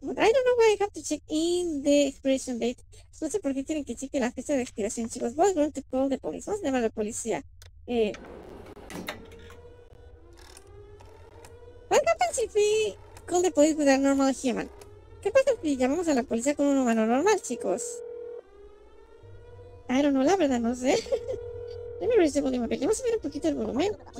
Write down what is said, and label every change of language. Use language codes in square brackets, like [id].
[en] But I don't know why I have to check in the expiration date. [es] No sé por qué tienen que chequear la fecha de expiración, chicos. [en] We're going to call the police. [es] Vamos a llamar a la policía. [en] What happens if we call the police with a normal human? [es] ¿Qué pasa si llamamos a la policía con un humano normal, chicos? [en] I don't know, [es] la verdad, no sé. Déjame ver ese volumen. Le voy a subir un poquito el volumen.